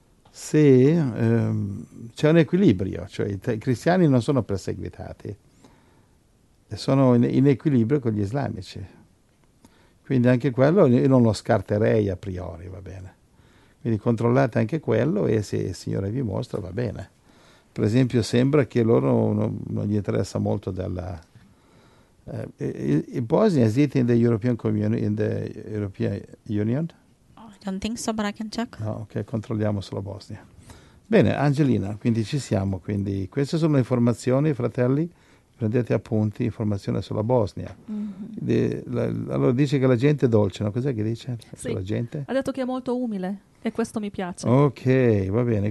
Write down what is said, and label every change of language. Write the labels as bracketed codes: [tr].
[it] Sì, c'è un equilibrio, cioè i cristiani non sono perseguitati, sono in equilibrio con gli islamici. Quindi anche quello io non lo scarterei a priori, va bene. Quindi controllate anche quello e se il Signore vi mostra, va bene. Per esempio sembra che loro non gli interessa molto della... in Bosnia esiste [en] in the European Community, in the European Union? Don't think so, but I can check. [it] No, ok, controlliamo solo Bosnia. Bene, Angelina, quindi ci siamo. Quindi queste sono le informazioni, fratelli. Prendete appunti, informazione sulla Bosnia. Mm-hmm. Allora dice che la gente è dolce, no? Cos'è che dice? Sì, la gente? Ha detto che è molto umile e questo mi piace. Ok, va bene.